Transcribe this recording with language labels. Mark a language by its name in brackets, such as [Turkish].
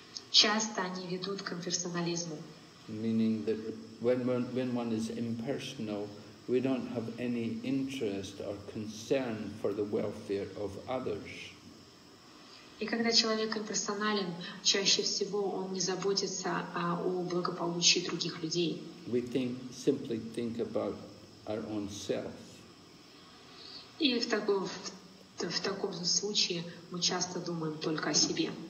[Russian] Часто они ведут к имперсонализму. [English] Meaning that when one is impersonal, we don't have any interest or concern for the welfare of others. [Russian] И когда человек имперсонален, чаще всего он не заботится о благополучии других людей. [English] We simply think about our own self. [Russian] И в таком случае мы часто думаем только о себе.